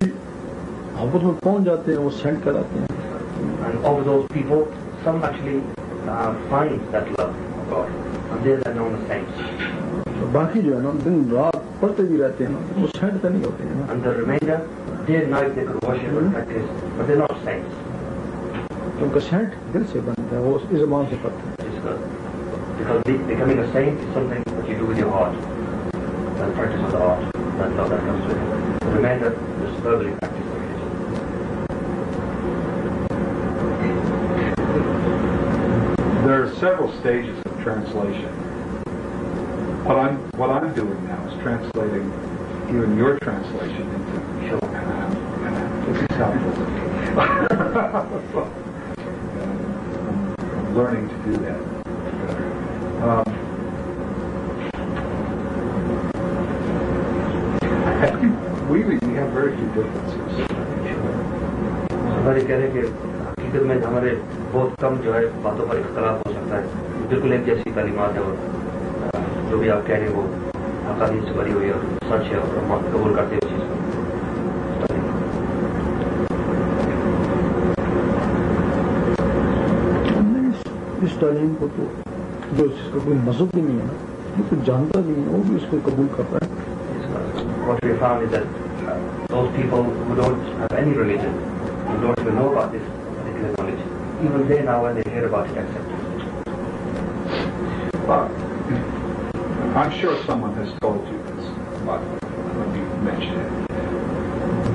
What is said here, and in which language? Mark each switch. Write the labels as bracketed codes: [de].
[ur] پہنچ جاتے ہیں وہ سینڈ کراتے ہیں [en] and of those people some actually find that love of God and they are known as saints [ur] باقی جو ہے نا دن رات پڑھتے بھی رہتے ہیں وہ سینڈ تو نہیں ہوتے ہیں [en] and the remainder day and night they could worship and practice but they're not saints [ur] کیونکہ سینٹ دل سے بنتا ہے وہ اس زبان سے پڑھتے ہیں [en] because becoming a saint is something that you do with your heart and practice with the heart that love that comes with it the remainder is verbally practice There are several stages of translation. What I'm doing now is translating even your translation into Shilpan. I'm learning to do that. We have very few differences. [ur] حقیقت میں ہمارے بہت کم جو ہے باتوں پر اختلاف ہو سکتا ہے بالکل ایک جیسی تعلیمات ہے اور جو بھی آپ کہہ رہے ہیں وہ حقانیت سے بھری ہوئی ہے اور سچ ہے اور قبول کرتے ہیں اس چیز کو ہم نے اس تعلیم کو تو جو اس کا کوئی مذہب بھی نہیں ہے نا جو کچھ جانتا نہیں ہے وہ بھی اس کو قبول کرتا ہے [en] What we found is that those people who don't have any religion, who don't even know about this, Even they now when they hear about it, accept it. I'm sure someone has told you this, but let me mention it.